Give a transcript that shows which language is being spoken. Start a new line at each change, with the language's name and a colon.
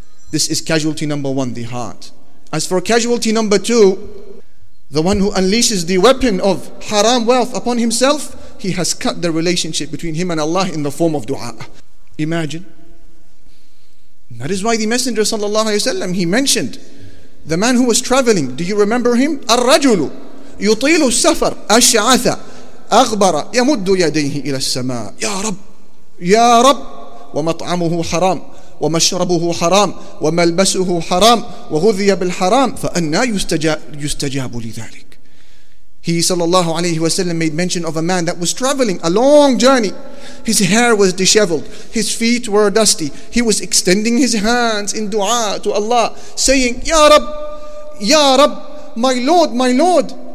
English: This is casualty number one, the heart. As for casualty number two, the one who unleashes the weapon of haram wealth upon himself, he has cut the relationship between him and Allah in the form of dua. Imagine. That is why the Messenger sallallahu alayhi wa sallam, he mentioned the man who was traveling. Do you remember him?
Arabic: Ar-rajulu yutilu safar ash'atha أغبر يمد يديه إلى السماء يا رب يا رب ومطعمه حرام ومشربه حرام وملبسه حرام وغذي بالحرام فأنا يستجاب لذلك.
English: He sallallahu alayhi wa sallam made mention of a man that was traveling a long journey. His hair was disheveled, his feet were dusty, he was extending his hands in dua to Allah saying, Ya Rab, Ya Rab, my Lord, my Lord.